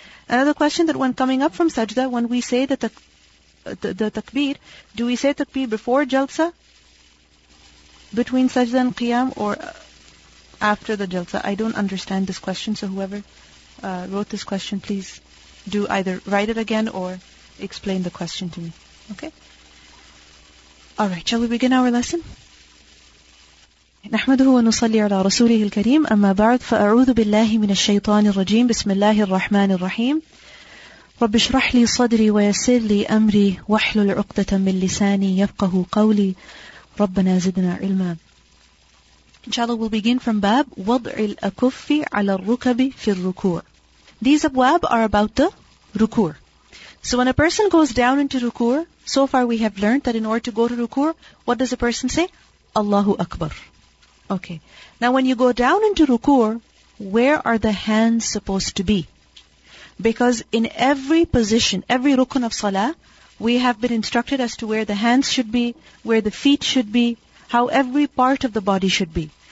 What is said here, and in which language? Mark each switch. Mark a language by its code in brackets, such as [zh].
[en] Another question, that when coming up from sajda, when we say the takbir, do we say takbir before jalsa, between sajda and qiyam, or after the jalsa? I don't understand this question, so whoever wrote this question, please do either write it again or explain the question to me. Okay? Alright, shall we begin our lesson? [ar] نحمده ونصلي على رسوله الكريم أما بعد فأعوذ بالله من الشيطان الرجيم بسم الله الرحمن الرحيم رب اشرح لي صدري ويسر لي أمري واحلل عقدة من لساني يفقه قولي ربنا زدنا علما [en] Inshallah, we'll begin from bab [ar] وضع الأكف على الركب في الركوع. [en] These abwab are about the rukur. So when a person goes down into rukur, so far we have learned that in order to go to rukur, what does a person say? Allahu Akbar. Okay. Now when you go down into rukur, where are the hands supposed to be? Because in every position, every rukun of salah, we have been instructed as to where the hands should be, where the feet should be, how every part of the body should be.